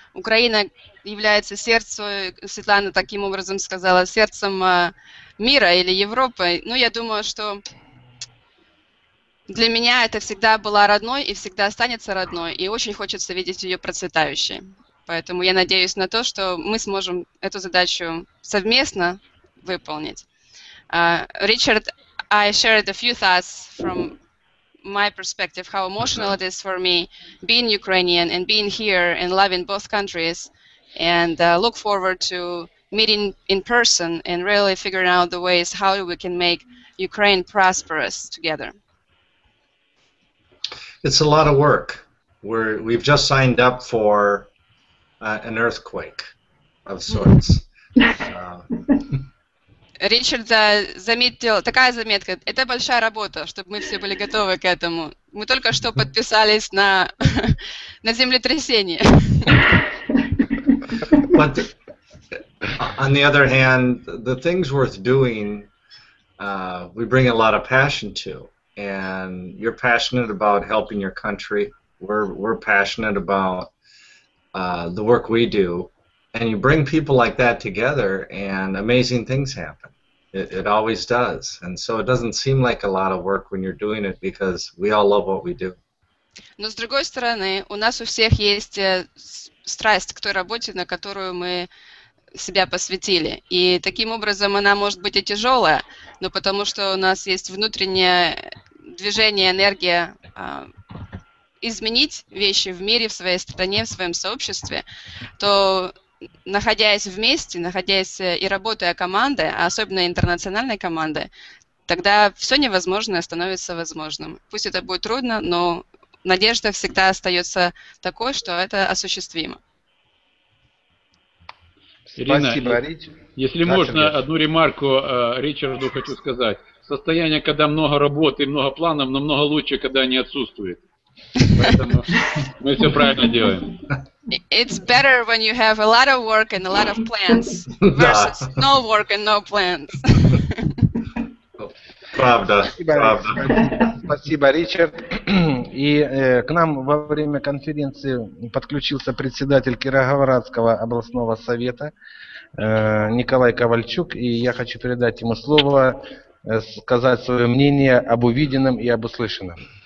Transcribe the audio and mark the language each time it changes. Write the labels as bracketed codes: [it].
[ru] Украина является сердцем, Светлана таким образом сказала, сердцем мира или Европы. Ну, я думаю, что для меня это всегда была родной и всегда останется родной, и очень хочется видеть ее процветающей. Поэтому я надеюсь на то, что мы сможем эту задачу совместно выполнить. [en] Ричард, I shared a few thoughts from my perspective, how emotional it is for me being Ukrainian and being here and loving both countries, and look forward to meeting in person and really figuring out the ways how we can make Ukraine prosperous together. It's a lot of work. We've just signed up for an earthquake of sorts. [ru] Ричард заметил, такая заметка, это большая работа, чтобы мы все были готовы к этому. Мы только что подписались на землетрясение. [en] But on the other hand, the things worth doing, we bring a lot of passion to. And you're passionate about helping your country. We're passionate about the work we do. And you bring people like that together, and amazing things happen. It always does. And so it doesn't seem like a lot of work when you're doing it because we all love what we do. [ru] Но с другой стороны, у нас у всех есть страсть к той работе, на которую мы себя посвятили. И таким образом она может быть и тяжелая, но потому что у нас есть внутреннее движение, энергия изменить вещи в мире, в своей стране, в своем сообществе, то находясь вместе, находясь и работая командой, а особенно интернациональной командой, тогда все невозможное становится возможным. Пусть это будет трудно, но надежда всегда остается такой, что это осуществимо. Ирина, спасибо, если можно, Ричард. Одну ремарку Ричарду хочу сказать. Состояние, когда много работы и много планов, намного лучше, когда они отсутствуют. Поэтому мы все правильно делаем. [en] It's better when you have a lot of work and a lot of plans versus no work and no plans. [ru] Правда, правда. Спасибо, Ричард. И к нам во время конференции подключился председатель Кировоградского областного совета Николай Ковальчук, и я хочу передать ему слово, сказать свое мнение об увиденном и об услышанном.